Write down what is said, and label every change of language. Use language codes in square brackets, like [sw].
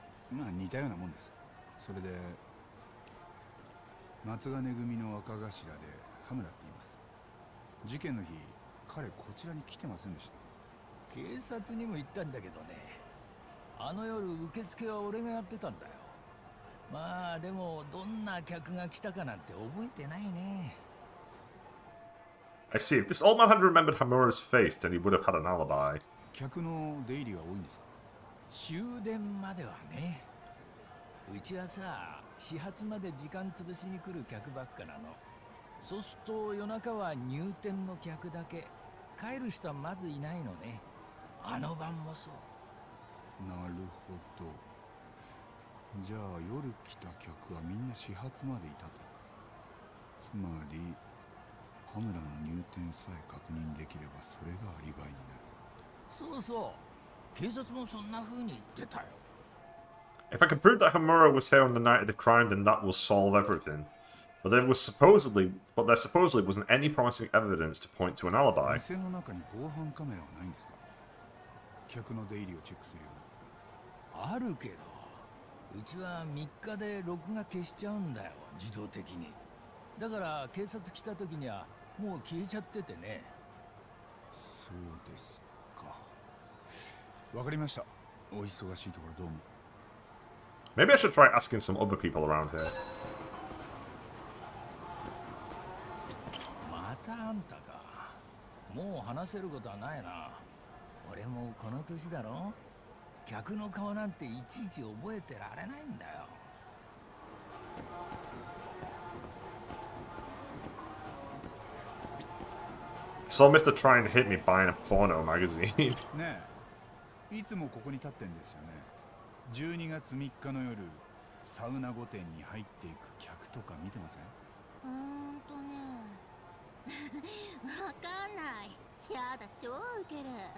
[ja] まあ似たようなもんです。それで松金組の若頭で羽村って言います。事件の日、彼こちらに来てませんでした。警察にも言ったんだけどね。あの夜受付は俺がやってたんだよ。まあでもどんな客が来たかなんて覚えてないね。 [en] I see. If this old man had remembered Hamura's face, then he would have had an alibi. [ja] 客の出入りは多いんですか？終電まではね。うちはさ、始発まで時間潰しに来る客ばっかなの。そうすると夜中は入店の客だけ。帰る人はまずいないのね。あの晩もそう。なるほど。じゃあ夜来た客はみんな始発までいたと。つまり、羽村の入店さえ確認できればそれがアリバイになる。そうそう。警察もそんな風に言ってたよ。 [en] If I can prove that Hamura was here on the night of the crime, then that will solve everything. But there supposedly wasn't any promising evidence to point to an alibi. [ja] 店の中に防犯カメラはないんですか？客の出入りをチェックするよ。あるけど、うちは3日で録画消しちゃうんだよ、自動的に。だから警察来た時にはもう消えちゃっててね。そうです。わかりました。お忙しいところどうも。 [en] Maybe I should try asking some other people around here. [ja] またあんたか。もう話せることはないな。俺もこの年だろ。客の顔なんていちいち覚えてられないんだよ。 [en] So Mr. Try and hit me buying a porno magazine. [ja] ねえ、いつもここに立ってんですよね。12月3日の夜、サウナ御殿に入っていく客とか見てません？ほんとね。わかんない。やだ、超ウケる。